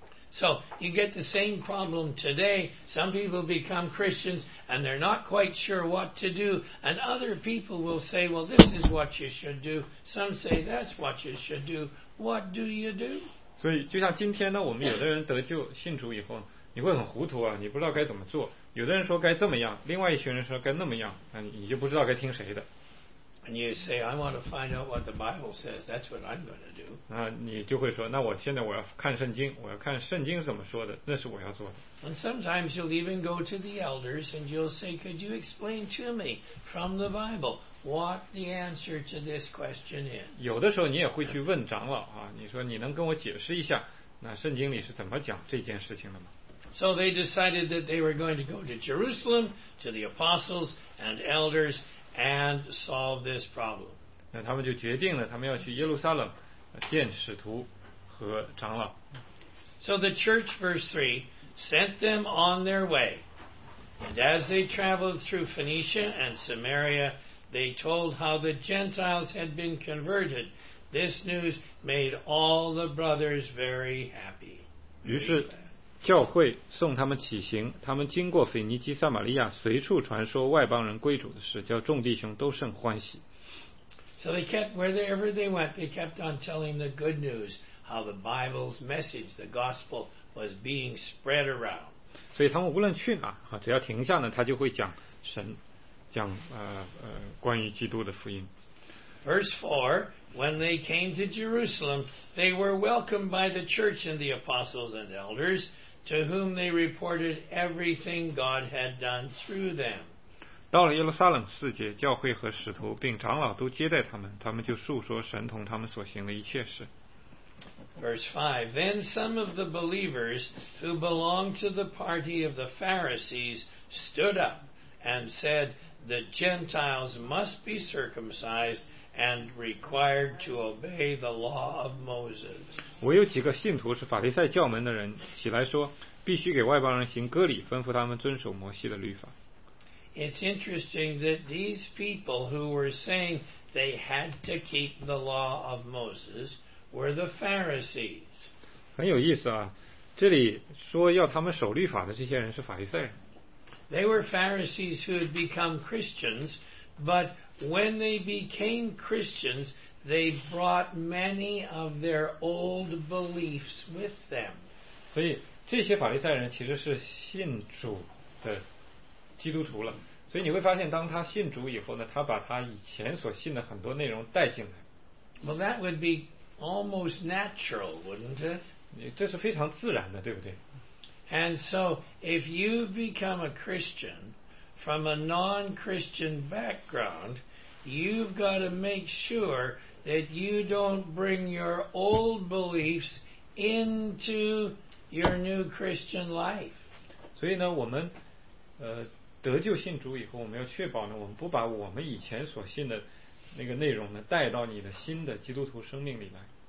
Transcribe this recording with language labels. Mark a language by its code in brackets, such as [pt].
[en] So you get the same problem today. Some people become Christians and they're not quite sure what to do. And other people will say, "Well, this is what you should do." Some say, "That's what you should do." What do you do? [zh] 所以就像今天呢，我们有的人得救信主以后，你会很糊涂啊，你不知道该怎么做。有的人说该这么样，另外一群人说该那么样，你就不知道该听谁的。 [en] And you say, "I want to find out what the Bible says. That's what I'm going to do." [zh] 那你就会说，那我现在我要看圣经，我要看圣经怎么说的，那是我要做的。 [en] And sometimes you'll even go to the elders and you'll say, "Could you explain to me from the Bible what the answer to this question is?" [zh] 有的时候你也会去问长老啊，你说你能跟我解释一下，那圣经里是怎么讲这件事情的吗？ [en] So they decided that they were going to go to Jerusalem to the apostles and elders and solve this problem. [zh] 那他们就决定了，他们要去耶路撒冷见使徒和长老。 [en] So the church, verse 3, sent them on their way. And as they traveled through Phoenicia and Samaria, they told how the Gentiles had been converted. This news made all the brothers very happy. [zh] 于是教会送他们起行，他们经过腓尼基、撒玛利亚，随处传说外邦人归主的事，叫众弟兄都甚欢喜。 [en] So they kept wherever they went, they kept on telling the good news, how the Bible's message, the gospel, was being spread around. [zh] 所以他们无论去哪啊，只要停下呢，他就会讲神，讲关于基督的福音。 [en] Verse 4, when they came to Jerusalem, they were welcomed by the church and the apostles and elders, to whom they reported everything God had done through them. [zh] 到了耶路撒冷四节，教会和使徒并长老都接待他们，他们就述说神同他们所行的一切事。 [en] Verse 5, then some of the believers who belonged to the party of the Pharisees stood up and said, "The Gentiles must be circumcised and required to obey the law of Moses." [zh] 我有几个信徒是法利赛教门的人，起来说必须给外邦人行割礼，吩咐他们遵守摩西的律法。 [en] It's interesting that these people who were saying they had to keep the law of Moses were the Pharisees. [zh] 很有意思啊，这里说要他们守律法的这些人是法利赛人。 [en] They were Pharisees who had become Christians, butWhen they became Christians, they brought many of their old beliefs with them. [zh] 所以这些法利赛人其实是信主的基督徒了。所以你会发现，当他信主以后呢，他把他以前所信的很多内容带进来。 [en] Well, that would be almost natural, wouldn't it? [zh] 这是非常自然的，对不对？ [en] And so, if you become a Christian,from a non-Christian background, you've got to make sure that you don't bring your old beliefs into your new Christian life. [zh] 所以呢，我们得救信主以后，我们要确保呢，我们不把我们以前所信的那个内容呢带到你的新的基督徒生命里来。